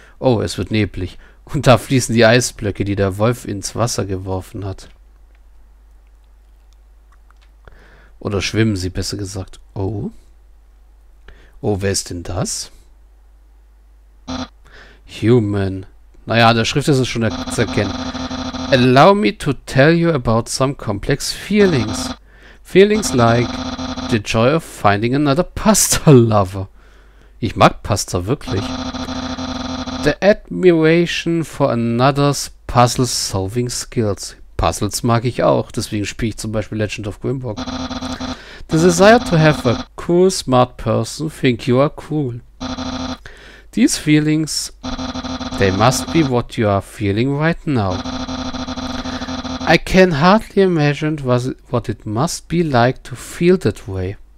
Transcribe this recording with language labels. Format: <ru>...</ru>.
<de>Oh, es wird neblig. Und da fließen die Eisblöcke, die der Wolf ins Wasser geworfen hat. Oder schwimmen sie, besser gesagt. Oh. Oh, wer ist denn das?</de> <en>Human.</en> <de>Naja, an der Schrift ist es schon zu erkennen.</de> <en>Allow me to tell you about some complex feelings. Feelings like the joy of finding another pasta lover.</en> <de>Ich mag Pasta wirklich.</de> <en>The admiration for another's puzzle-solving skills.</en> <de>Puzzles mag ich auch, deswegen spiele ich zum Beispiel Legend of Grimbock.</de> <en>The desire to have a cool, smart person think you are cool. These feelings, they must be what you are feeling right now. I can hardly imagine what it must be like to feel that way.</en>